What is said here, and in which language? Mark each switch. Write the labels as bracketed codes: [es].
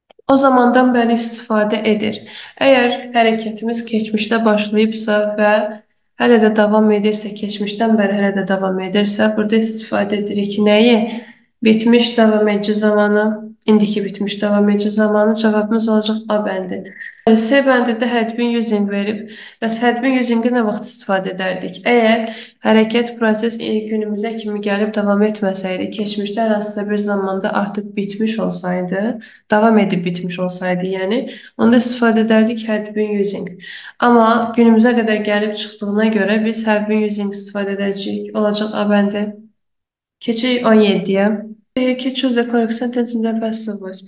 [az] O zamandan bəri istifadə edir. Əgər hərəkətimiz keçmişdə başlayıbsa və hələ də davam edirsə, keçmişdən bəri hələ də davam edirsə, burada istifadə edirik ki, nəyi? Bitmiş davam edici zamanı, indiki bitmiş davam edici zamanı cevabımız olacak A bəndi. S bəndi de had been using verib. Bəs had been using'i ne vaxt istifadə edərdik? Eğer hareket proses ilk günümüzə kimi gəlib davam etməsəydi, keçmişdə hər hansısa bir zamanda artık bitmiş olsaydı, davam edib bitmiş olsaydı yani, onda istifadə edərdik had been using. Ama günümüzə qədər gəlib çıxdığına göre biz had been using istifadə edəcəyik. Olacak A bəndi. Keçirik 17'ye. Deyir ki, [en] choose the correct sentence in the passive voice.